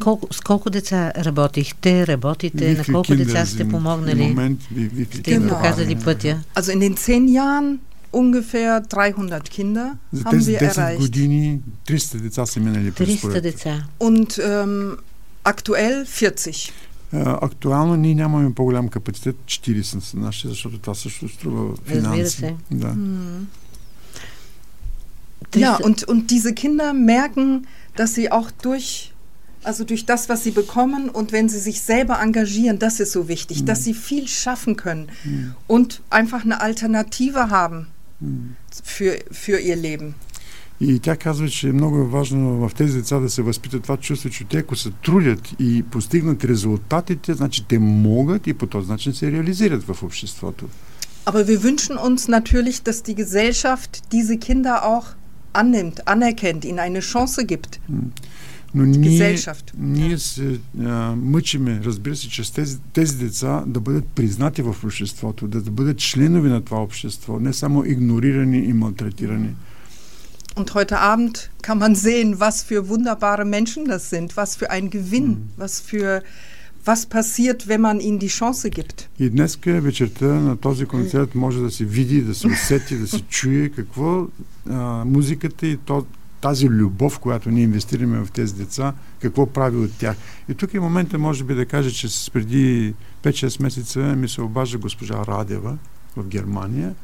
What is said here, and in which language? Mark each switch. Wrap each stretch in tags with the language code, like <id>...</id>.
<bg>Сколко деца работихте, работите, на колко деца сте помогнали? Сте им показали пътя?</bg> <de>Also in den 10 Jahren ungefähr 300 Kinder haben wir erreicht.</de> <bg>години 300 деца са минали през проекта. 300 деца.</bg> <de>Und aktuell 40.</de> <bg>Актуално ние нямаме по-голям капацитет, 40 са наши, защото това също струва финанси. Разбира се. Да.</bg> <de>Ja, und diese Kinder merken, dass sie auch durch das, was sie bekommen und wenn sie sich selber engagieren, das ist so wichtig, dass sie viel schaffen können und einfach eine Alternative haben für ihr Leben.</de> <bg>И тя казва, че е много важно в тези деца да се възпитат това чувство, че те, ако се трудят и постигнат резултатите, значи те могат и по този начин се реализират в обществото.</bg> <de>Aber wir wünschen uns natürlich, dass die Gesellschaft diese Kinder auch annimmt, anerkennt, ihnen eine Chance gibt.</de> <bg>Но ние се мъчиме, разбира се, че тези деца да бъдат признати в обществото, да бъдат членове на това общество, не само игнорирани и малтретирани.</bg> <de>Und heute Abend kann man sehen, was für wunderbare Menschen das sind, was für ein Gewinn, was für Was passiert, wenn man ihnen die Chance gibt?</de> <bg>И днес вечерта на този концерт може да се види, да се усети, да се чуе какво музиката и тази любов, която ние инвестираме в тези деца, какво прави от тях. И тук е момента, може би, да кажа, че преди 5-6 месеца ми се обажда госпожа Радева в Германия.</bg>